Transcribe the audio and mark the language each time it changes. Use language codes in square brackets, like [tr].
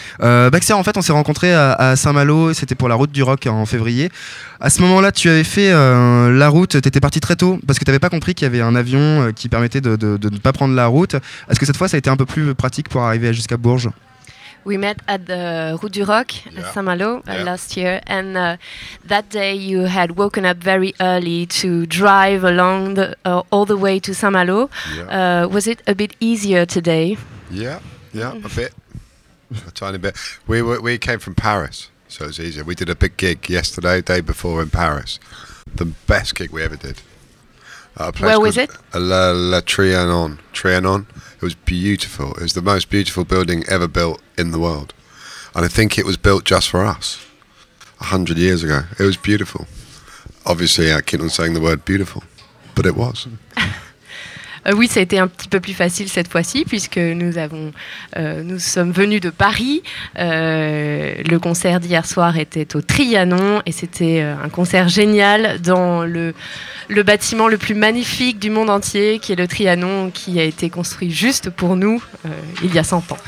[fr] Baxter, en fait, on s'est rencontrés à Saint-Malo, c'était pour la route du rock en février. À ce moment-là, tu avais fait la route, tu étais parti très tôt, parce que tu n'avais pas compris qu'il y avait un avion qui permettait de ne pas prendre la route. Est-ce que cette fois, ça a été un peu plus pratique pour arriver jusqu'à Bourges? [en] We met at the Route du Rock, yeah. Saint-Malo, yeah. Last year, and that day you had woken up very early to drive along the, all the way to Saint-Malo. Yeah. Was it a bit easier today? Yeah, a bit, a tiny bit. We came from Paris, so it was easier. We did a big gig yesterday, day before in Paris. The best gig we ever did. Where was it? La Trianon. Trianon. It was beautiful. It was the most beautiful building ever built in the world. And I think it was built just for us 100 years ago. It was beautiful. Obviously, I keep on saying the word beautiful, but it was. [fr] Oui, ça a été un petit peu plus facile cette fois-ci, puisque nous avons, nous sommes venus de Paris. Le concert d'hier soir était au Trianon, et c'était un concert génial dans le bâtiment le plus magnifique du monde entier, qui est le Trianon, qui a été construit juste pour nous, il y a 100 ans.